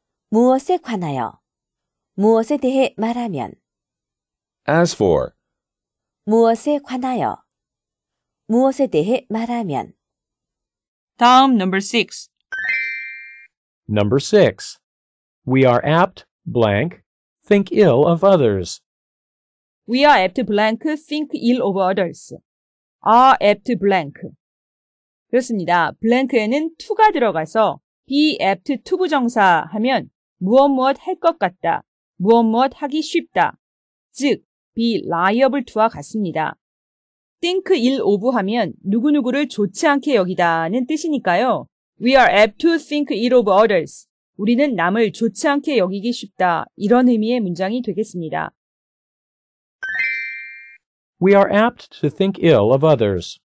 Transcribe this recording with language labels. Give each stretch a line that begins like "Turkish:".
Korean: 무엇에 관하여 무엇에 대해 말하면
English: As for
Korean: 무엇에 관하여 무엇에 대해 말하면 다음
English: number 6 Number 6 We are apt blank think ill of others We are apt blank think ill of others are apt blank
Korean: 그렇습니다. blank에는 to가 들어가서 Be apt to 부정사 하면 무엇 무엇 할 것 같다, 무엇 무엇 하기 쉽다, 즉 be liable to와 같습니다. Think ill of 하면 누구누구를 좋지 않게 여기다는 뜻이니까요.
English: We are apt to think ill of others.
Korean: 우리는 남을 좋지 않게 여기기 쉽다, 이런 의미의 문장이 되겠습니다.
English: We are apt to think ill of others.